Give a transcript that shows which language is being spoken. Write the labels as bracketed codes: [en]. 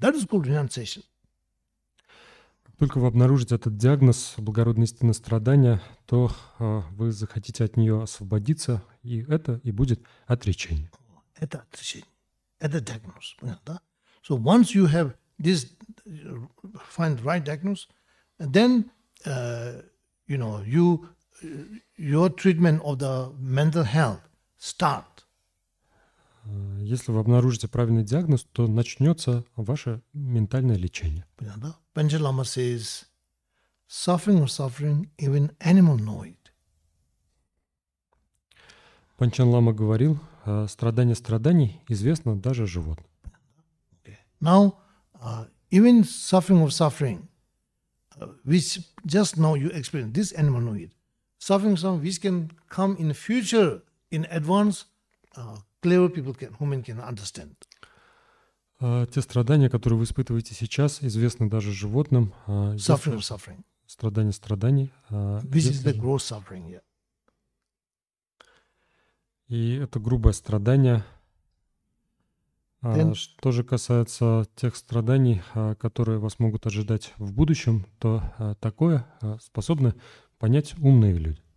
[en] That is called renunciation. [ru] Только вы обнаружите этот диагноз благородной истины страдания, то вы захотите от нее освободиться, и это и будет отречение. Это отречение. Это диагноз. Понятно, да? [en] So once you have this, find the right diagnosis, and then, you know, you, your treatment of the mental health start. [ru] Если вы обнаружите правильный диагноз, то начнется ваше ментальное лечение. Понятно? [en] Пенчен Лама says, suffering or suffering, even animal know it. [ru] Пенчен Лама говорил, страдание страданий известно даже животным. [en] Now, even suffering of suffering, which just now you experience, this animal know it. Suffering of suffering, which can come in the future, in advance, clever people can, human can understand. [ru] Те страдания, которые вы испытываете сейчас, известны даже животным. [en] Suffering of suffering. [ru] Страдание страданий. [en] This is the gross suffering, yeah. [ru] И это грубое страдание. Then, что же касается тех страданий, которые вас могут ожидать в будущем, то такое способны понять умные люди.